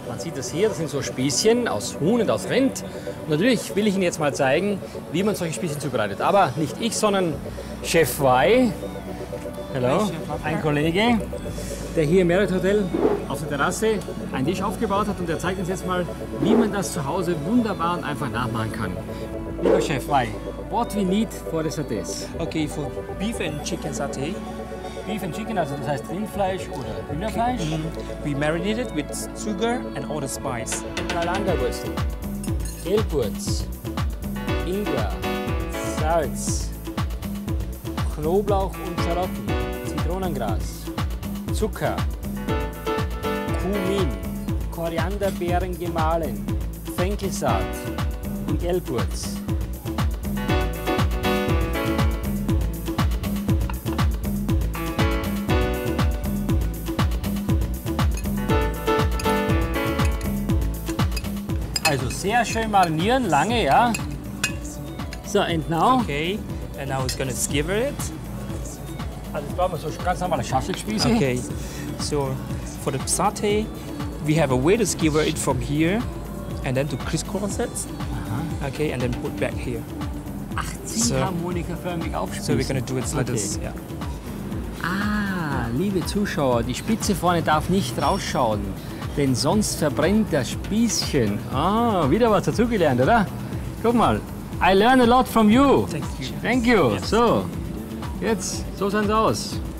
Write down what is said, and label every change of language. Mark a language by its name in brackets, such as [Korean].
[German] Man sieht das hier, das sind so Spießchen aus Huhn und aus Rind. Und natürlich will ich Ihnen jetzt mal zeigen, wie man solche Spießchen zubereitet. Aber nicht ich, sondern Chef Wai, [English] hello, [German] ein Kollege, der hier im Marriott Hotel auf der Terrasse einen Tisch aufgebaut hat. Und er zeigt uns jetzt mal, wie man das zu Hause wunderbar und einfach nachmachen kann. Lieber Chef Wai, [English] what we need for the satays? Okay, for beef and chicken satay. Beef and chicken, [German] also das heißt Rindfleisch oder Hühnerfleisch. Mm-hmm. [English] We marinate it with sugar and all the spice. [German] Kalanderwürstel, Gelbwurz, Ingwer, Salz, Knoblauch und Schalotten, Zitronengras, Zucker, Kumin, Korianderbeeren gemahlen, Fenchelsaat und Gelbwurz. Also sehr schön marinieren, lange, ja. [English] So, and now? Okay, and now it's gonna skewer it. [German] Also ich glaube, so ganz normale Schaschlikspieße. [English] Okay, so for the satay, we have a way to skewer it from here and then to crisscross it. Aha. Okay, and then put back here. [German] Ach, ziehharmonika förmig aufspießen. [English] So we're gonna do it like this, ja. [German] Ah, liebe Zuschauer, die Spitze vorne darf nicht rausschauen. Denn sonst verbrennt das Spießchen. Ah, wieder was dazugelernt, oder? Guck mal, [English] I learn a lot from you. Thank you. Thank you. Yes. [German] So, jetzt, so sehen sie aus.